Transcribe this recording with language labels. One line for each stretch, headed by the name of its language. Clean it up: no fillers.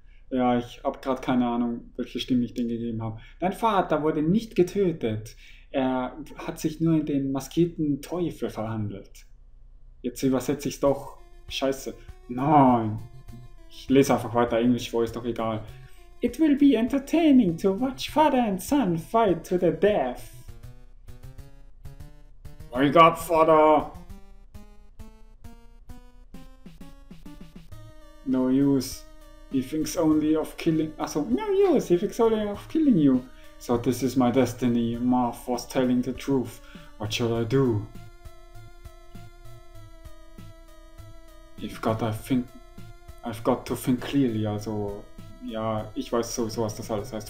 German: Ja, ich habe gerade keine Ahnung, welche Stimme ich denn gegeben habe. Dein Vater wurde nicht getötet. Er hat sich nur in den maskierten Teufel verwandelt. Jetzt übersetze ich's doch. Scheiße. Nein. Ich lese einfach weiter. Englisch vor, ist doch egal.
English: It will be entertaining to watch father and son fight to the death. Wake up, father! No use. He thinks only of killing. Also, no use. He thinks only of killing you. So this is my destiny. Marv was telling the truth. What shall I do? I've got to think clearly.
German: Also, ja, ich weiß sowieso, was das alles heißt.